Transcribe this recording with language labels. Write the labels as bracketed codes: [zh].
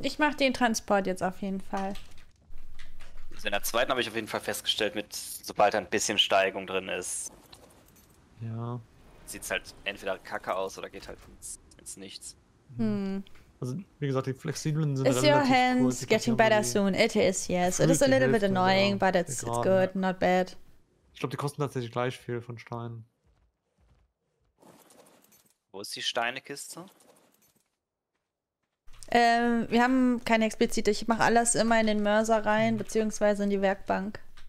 [de] Ich mache den Transport jetzt auf jeden Fall. In der zweiten habe ich auf jeden Fall festgestellt, mit sobald da ein bisschen Steigung drin ist. Ja. Sieht es halt entweder kacke aus oder geht halt ins Nichts. Hm. Also, wie gesagt, die flexiblen sind is relativ cool. [en] Is your hands getting better soon? It is, yes. It is a little bit annoying, but it's good, ja. Not bad. [de] Ich glaube, die kosten tatsächlich gleich viel von Steinen. Wo ist die Steinekiste? Wir haben keine explizite. Ich mache alles immer in den Mörser rein, beziehungsweise in die Werkbank.